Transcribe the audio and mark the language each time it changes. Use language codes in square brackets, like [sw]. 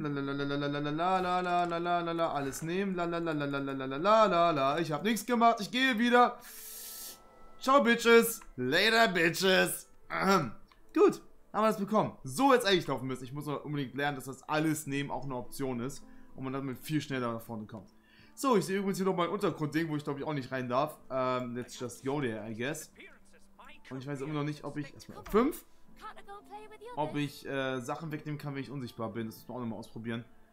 [de] La alles nehmen. La ich hab nichts gemacht, ich gehe wieder. Ciao, Bitches. [en] Later, Bitches. [de] Gut, haben wir das bekommen. So jetzt eigentlich laufen müssen. Ich muss unbedingt lernen, dass das alles nehmen auch eine Option ist. Und man damit viel schneller nach vorne kommt. So, ich sehe übrigens hier noch mal ein Untergrundding, wo ich glaube ich auch nicht rein darf. [en] Let's just go there, I guess. [de] Und ich weiß immer noch nicht, ob ich erstmal fünf, ob ich Sachen wegnehmen kann, wenn ich unsichtbar bin. Das müssen wir auch nochmal ausprobieren.